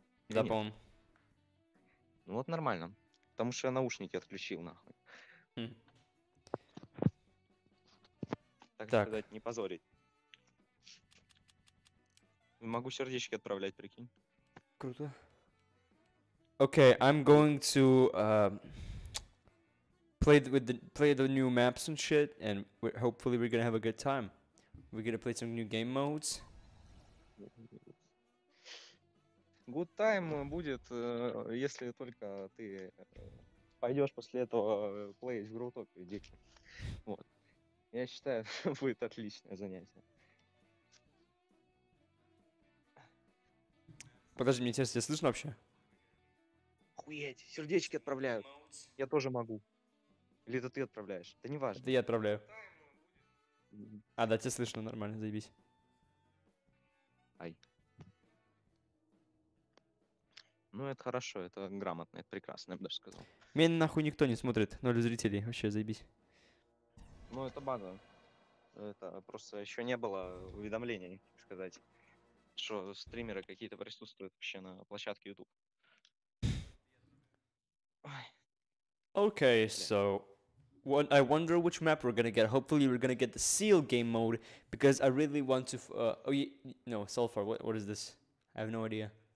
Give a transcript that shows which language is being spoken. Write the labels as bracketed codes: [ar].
[ru] Да, по-моему. Ну вот нормально. Потому что я наушники отключил, нахуй. Так сказать, не позорить. Могу сердечки отправлять, прикинь. Круто. [en] Okay, I'm going to play the new maps and shit, and hopefully we're gonna have a good time. We're gonna play some new game modes. Good time [ru] будет, если только ты пойдешь после этого плеить в Гроутопию, дикий. Вот. Я считаю, будет отличное занятие. Подожди, мне тебя слышно вообще? Охуеть, сердечки отправляют. Я тоже могу. Или это ты отправляешь? Да не важно. Это я отправляю. А, да, тебя слышно нормально, заебись. Ай. Ну, это хорошо, это грамотно, это прекрасно, я бы даже сказал. Меня нахуй никто не смотрит, ноль зрителей, вообще заебись. Ну, это база. Это просто еще не было уведомлений, так сказать, что стримеры какие-то присутствуют вообще на площадке YouTube. [en] Okay, so... what, I wonder which map we're gonna get. Hopefully we're gonna get the seal game mode, because I really want to... sulfur, what is this? I have no idea.